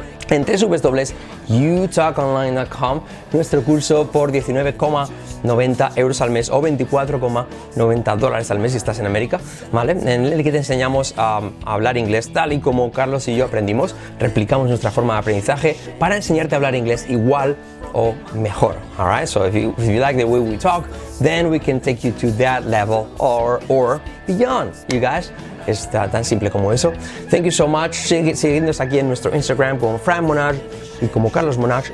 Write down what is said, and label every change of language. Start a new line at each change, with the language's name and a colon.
Spanish: En www.utalkonline.com, nuestro curso por 19,90 euros al mes o 24,90 dólares al mes si estás en América, ¿vale? En el que te enseñamos a hablar inglés tal y como Carlos y yo aprendimos, replicamos nuestra forma de aprendizaje para enseñarte a hablar inglés igual o mejor.
English: All right? So if you like the way we talk, then we can take you to that level or beyond, you guys.
Spanish: Es tan simple como eso.
English: Thank you so much.
Spanish: Seguidnos aquí en nuestro Instagram como Fran Monash y como Carlos Monash.